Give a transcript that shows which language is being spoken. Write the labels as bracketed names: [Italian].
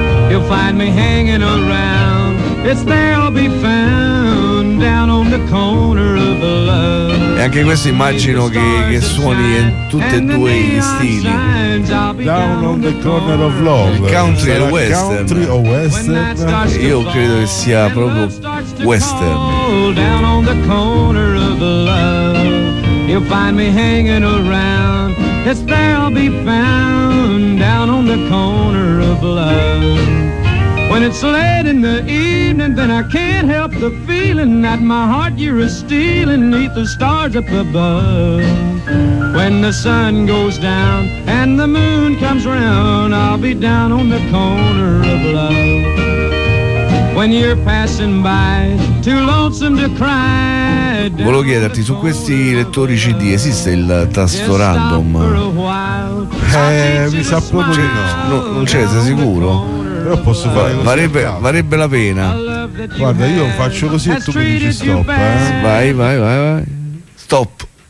[English] You'll find me hanging around. It's there I'll be found down on the corner of the love. [Italian] E anche questo immagino che suoni in tutti e due gli stili. [English] Down on the corner of love. Country or western? Country or western? [Italian] Io credo che sia proprio western. [English] Down on the corner of the love. You'll find me hanging around. It's there I'll be found. Down on the corner of love. When it's late in the evening, then I can't help the feeling that my heart you're stealing neath the stars up above. When the sun goes down and the moon comes round, I'll be down on the corner of love. When you're passing by, too lonesome to cry. [Italian] Volevo chiederti, su questi lettori CD esiste il tasto random? Mi sa proprio che no. No, non c'è, sei sicuro? Però posso fare. Varrebbe la pena. Guarda, io faccio così e tu mi dici stop. Vai. Stop.